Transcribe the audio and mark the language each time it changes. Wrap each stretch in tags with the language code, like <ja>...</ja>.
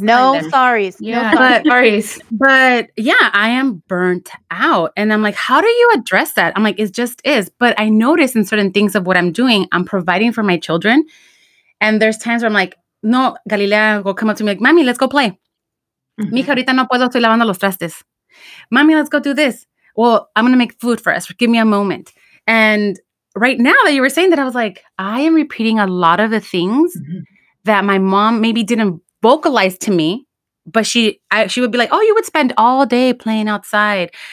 <en>the line. No sorries. But yeah, I am burnt out. And I'm like, how do you address that? I'm like, it just is. But I notice in certain things of what I'm doing, I'm providing for my children. And there's times where I'm like, no, Galilea will come up to me like, mami, let's go play.</en> <es>Mija, ahorita no puedo, estoy lavando los trastes.</es> <en>Mami, let's go do this. Well, I'm going to make food for us. Give me a moment. And right now that you were saying that, I was like, I am repeating a lot of the things that my mom maybe didn't vocalize to me, but she would be like, oh, you would spend all day playing outside.</en>